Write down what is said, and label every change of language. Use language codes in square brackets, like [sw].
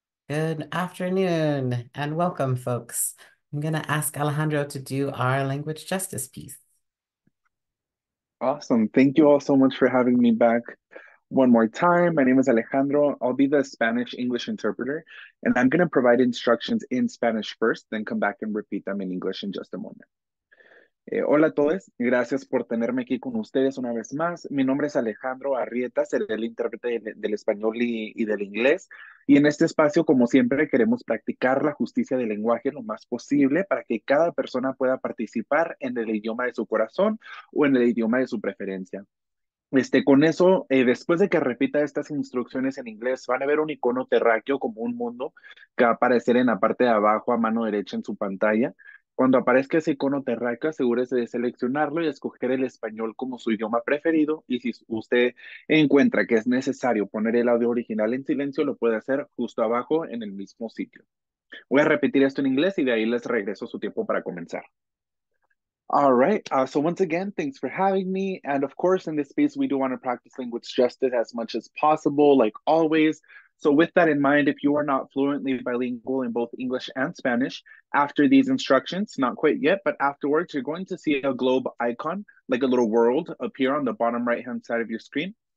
[en] Good afternoon and welcome, folks. I'm going to ask Alejandro to do our language justice piece. Awesome. Thank you all so much for having me back one more time. My name is Alejandro. I'll be the Spanish English interpreter, and I'm going to provide instructions in Spanish first, then come back and repeat them in English in just a moment. [es] Hola a todos. Gracias por tenerme aquí con ustedes una vez más. Mi nombre es Alejandro Arrieta, seré el intérprete del español y del inglés. Y en este espacio, como siempre, queremos practicar la justicia del lenguaje lo más posible para que cada persona pueda participar en el idioma de su corazón o en el idioma de su preferencia. Con eso, después de que repita estas instrucciones en inglés, van a ver un icono terráqueo como un mundo que va a aparecer en la parte de abajo a mano derecha en su pantalla. Cuando aparezca ese icono terráqueo, asegúrese de seleccionarlo y escoger el español como su idioma preferido. Y si usted encuentra que es necesario poner el audio original en silencio, lo puede hacer justo abajo en el mismo sitio. Voy a repetir esto en inglés y de ahí les regreso su tiempo para comenzar. [en] All right, so once again, thanks for having me. And of course, in this space, we do want to practice language justice as much as possible, like always. So with that in mind, if you are not fluently bilingual in both English and Spanish, after these instructions, not quite yet, but afterwards, you're going to see a globe icon, like a little world, appear on the bottom right-hand side of your screen.